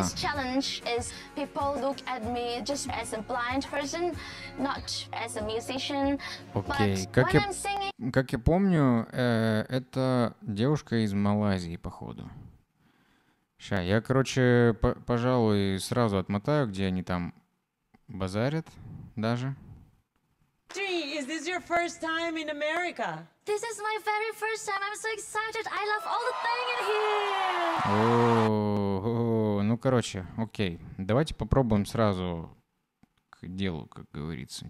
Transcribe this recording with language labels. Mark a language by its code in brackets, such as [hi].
[en] This challenge is people look at me just as a blind person, not as a musician. Окей. Okay. [ru] Как я помню, это девушка из Малайзии, походу. Сейчас, я, короче, пожалуй, сразу отмотаю, где они там базарят даже. [en] Gee, is this your first time in America? This is my very first time. I'm so excited. I love all the things in here. [ru] Ну, короче, окей. Давайте попробуем сразу к делу, как говорится.